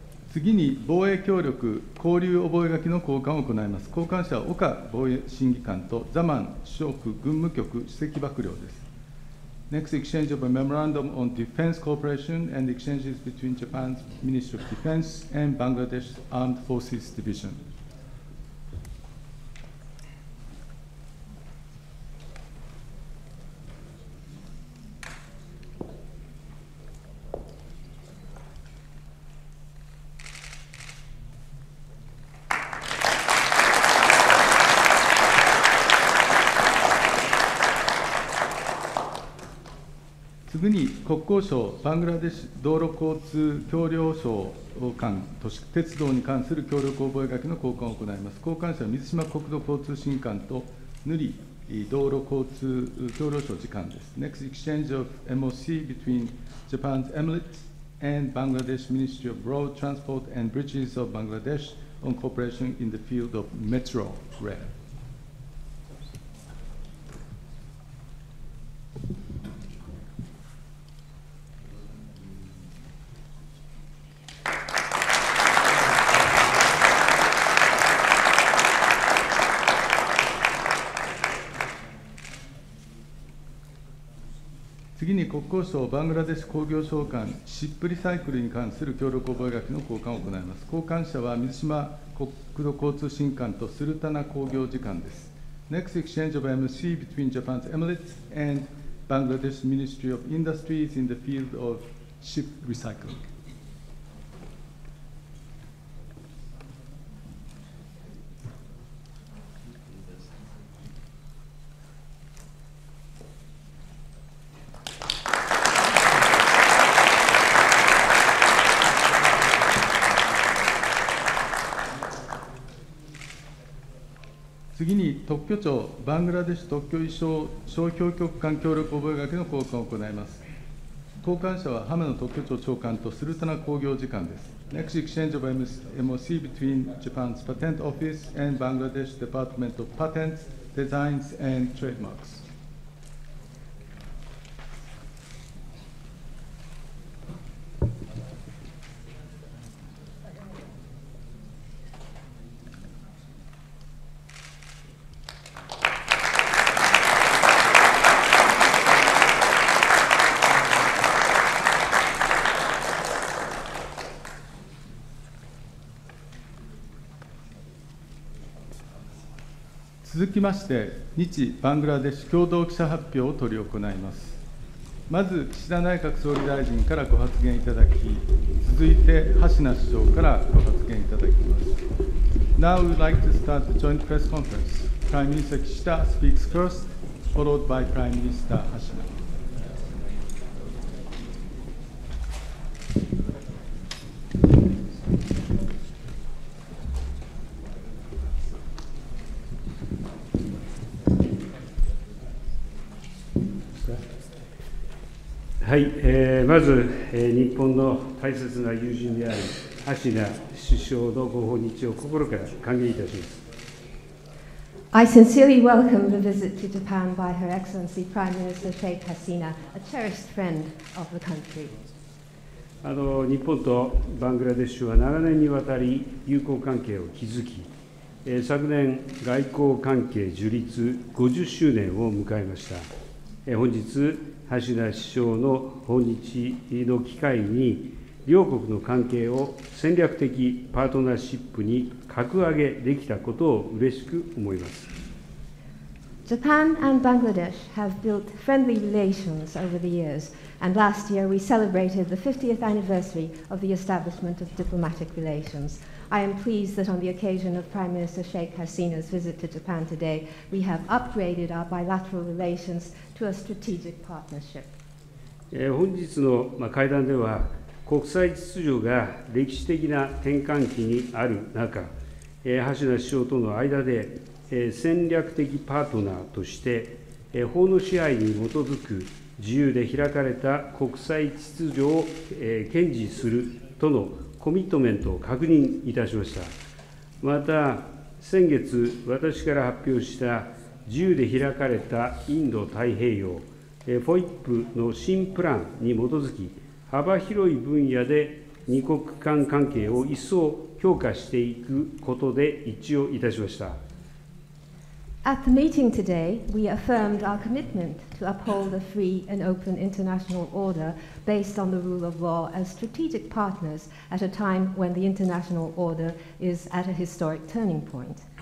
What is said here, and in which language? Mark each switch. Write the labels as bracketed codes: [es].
[ja] 次に防衛協力交流覚書の交換を行います。交換者は岡防衛審議官とザマン首相府軍務局首席幕僚です。 [en] Next exchange of a memorandum on defense cooperation and exchanges between Japan's Ministry of Defense and Bangladesh Armed Forces Division. [ja] 次に国交省バングラデシュ道路交通橋梁省間都市鉄道に関する協力覚書の交換を行います。交換者は水島国土交通審議官とヌリ道路交通橋梁省次官です。 [en] Next exchange of MOC between Japan's EMLIT and Bangladesh Ministry of Road Transport and Bridges of Bangladesh on cooperation in the field of metro rail. [ja] 次に国交省バングラデシュ工業省間シップリサイクルに関する協力覚書の交換を行います。交換者は水島国土交通審議官とスルタナ工業次官です。 [en] Next exchange of MC between Japan's EMLIT and Bangladesh Ministry of Industries in the field of ship recycling. [ja] 次に特許庁バングラデシュ特許衣装商標局間協力覚書の交換を行います。交換者は浜野特許庁長官とスルタナ工業次官です。 [en] Next exchange of MOC between Japan's Patent Office and Bangladesh Department of Patents, Designs and Trademarks. [ja] 続きまして、日バングラデシュ共同記者発表を執り行います。まず、岸田内閣総理大臣からご発言いただき、続いて橋名首相からご発言いただきます。 [en] Now we'd like to start the joint press conference. Prime Minister Kishida speaks first, followed by Prime Minister 橋名。 [ja] はい、まず、日本の大切な友人である橋名首相のご訪日を心から歓迎いたします。 [en] I sincerely welcome the visit to Japan by Her Excellency Prime Minister Sheikh Hasina, a cherished friend of the country. [ja] 日本とバングラデシュは長年にわたり友好関係を築き、昨年外交関係樹立50周年を迎えました。本日橋名首相の訪日の機会に、両国の関係を戦略的パートナーシップに格上げできたことを嬉しく思います。 [en] Japan and Bangladesh have built friendly relations over the years, and last year we celebrated the 50th anniversary of the establishment of diplomatic relations. I am pleased that on the occasion of Prime Minister Sheikh Hasina's visit to Japan today, we have upgraded our bilateral relations. [ja] 本日の会談では、国際秩序が歴史的な転換期にある中、橋名首相との間で戦略的パートナーとして、法の支配に基づく自由で開かれた国際秩序を堅持するとのコミットメントを確認いたしました。また、先月、私から発表した自由で開かれたインド太平洋、FOIP の新プランに基づき、幅広い分野で二国間関係を一層強化していくことで一致をいたしました。 [en] At the meeting today, we affirmed our commitment to uphold a free and open international order based on the rule of law as strategic partners at a time when the international order is at a historic turning point.